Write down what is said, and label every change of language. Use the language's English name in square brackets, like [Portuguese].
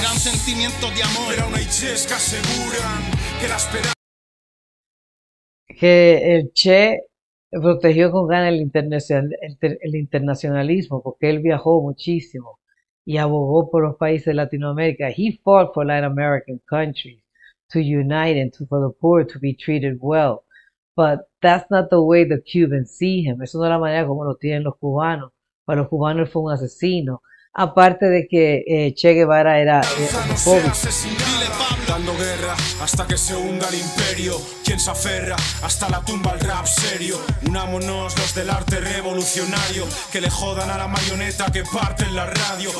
[Spanish] gran sentimiento de amor, era una Ichesca segura que la esperanza. Que el Che protegió con ganas el internacionalismo, porque él viajó muchísimo y abogó por los países de Latinoamérica. [English] He fought for Latin American countries to unite and for the poor to be treated well. But that's not the way the Cubans see him. [Spanish] Eso no es la manera como lo tienen los cubanos. Para los cubanos él fue un asesino. Aparte de que Che Guevara era pobre. Dando guerra hasta que se hunda el imperio. Quien se aferra hasta la tumba al rap serio. Unámonos los del arte revolucionario. Que le jodan a la marioneta que parte en la radio.